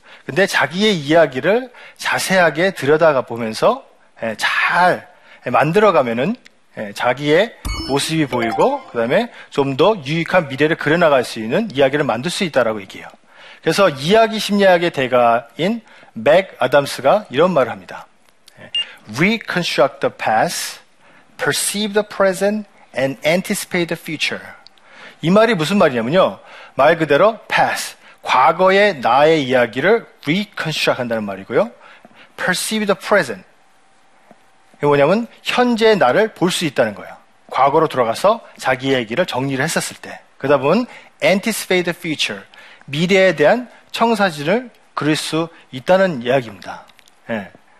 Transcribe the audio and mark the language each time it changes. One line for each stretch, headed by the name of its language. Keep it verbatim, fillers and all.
Korean: 근데 자기의 이야기를 자세하게 들여다가 보면서 예, 잘 만들어가면은 예, 자기의 모습이 보이고 그 다음에 좀 더 유익한 미래를 그려나갈 수 있는 이야기를 만들 수 있다라고 얘기해요. 그래서 이야기 심리학의 대가인 맥 아담스가 이런 말을 합니다. 예.
English: Reconstruct the past, perceive the present, and anticipate the future.
Korean: 이 말이 무슨 말이냐면요, 말 그대로 past, 과거의 나의 이야기를 reconstruct 한다는 말이고요,
English: perceive the present,
Korean: 이게 뭐냐면 현재의 나를 볼 수 있다는 거예요. 과거로 돌아가서 자기 얘기를 정리를 했었을 때. 그러다 보면
English: anticipate the future,
Korean: 미래에 대한 청사진을 그릴 수 있다는 이야기입니다. 예.